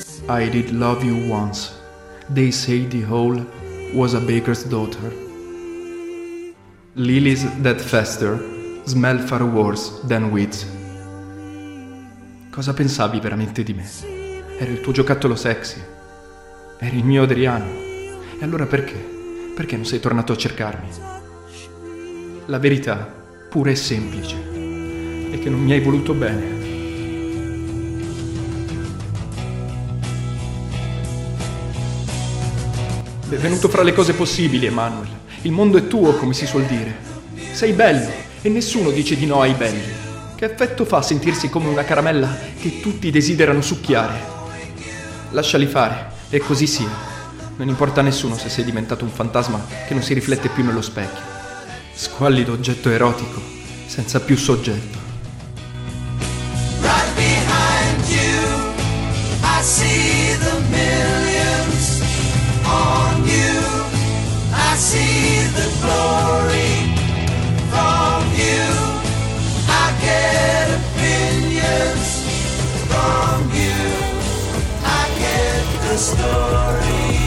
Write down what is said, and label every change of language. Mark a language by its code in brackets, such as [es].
[en] I did love you once. They say the hole was a baker's daughter. Lilies that fester smell far worse than weeds. [it] Cosa pensavi veramente di me? Ero il tuo giocattolo sexy. Eri il mio Adriano. E allora perché? Perché non sei tornato a cercarmi? La verità, pura e semplice, è che non mi hai voluto bene. Benvenuto fra le cose possibili, Emmanuel. Il mondo è tuo, come si suol dire. Sei bello e nessuno dice di no ai belli. Che effetto fa sentirsi come una caramella che tutti desiderano succhiare? Lasciali fare, e così sia. Non importa a nessuno se sei diventato un fantasma che non si riflette più nello specchio. Squallido oggetto erotico, senza più soggetto. [en] Right behind you, I see the millions. On you, I see the glory. From you, I get opinions. From you, I get the story.